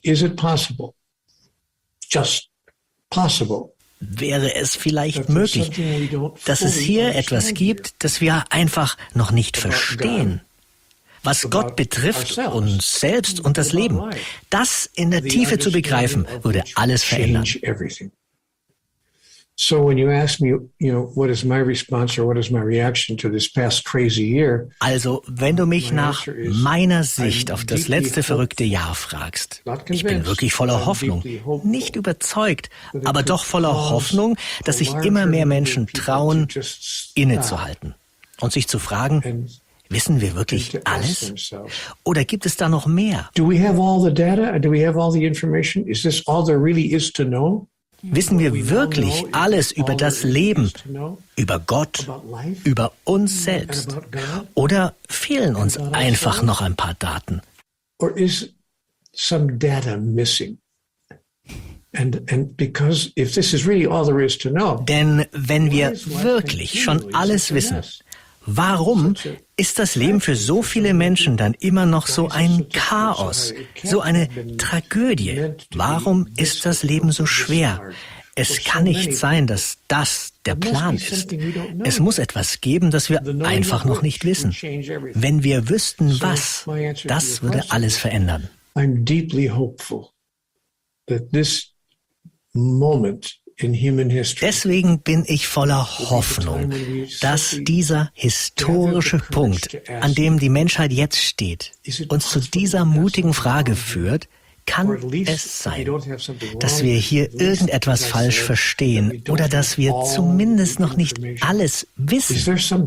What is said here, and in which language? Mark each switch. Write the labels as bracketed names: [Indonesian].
[English] Is it possible? Just possible. [German] Wäre es vielleicht möglich, dass es hier etwas gibt, das wir einfach noch nicht verstehen? Was Gott betrifft, uns selbst und das Leben, das in der Tiefe zu begreifen, würde alles verändern. [English] So when you ask me, you know, what is my response or what is my reaction to this past crazy year? [German] Also, wenn du mich nach meiner Sicht auf das letzte verrückte Jahr fragst, ich bin wirklich voller Hoffnung, nicht überzeugt, aber doch voller Hoffnung, dass sich immer mehr Menschen trauen, innezuhalten und sich zu fragen, wissen wir wirklich alles? Oder gibt es da noch mehr? [English] Do we have all the data? Do we have all the information? Is this all there really is to know? [German] Wissen wir wirklich alles über das Leben, über Gott, über uns selbst? Oder fehlen uns einfach noch ein paar Daten? [English] Or is some data missing? And because if this is really all there is to know, [German] denn wenn wir wirklich schon alles wissen, Warum ist das Leben für so viele Menschen dann immer noch so ein Chaos, so eine Tragödie? Warum ist das Leben so schwer? Es kann nicht sein, dass das der Plan ist. Es muss etwas geben, das wir einfach noch nicht wissen. Wenn wir wüssten, was, das würde alles verändern. [English] I'm deeply hopeful that this moment in human history. [German] Deswegen bin ich voller Hoffnung, dass dieser historische Punkt, an dem die Menschheit jetzt steht, uns zu dieser mutigen Frage führt, kann es sein, dass wir hier irgendetwas falsch verstehen oder dass wir zumindest noch nicht alles wissen?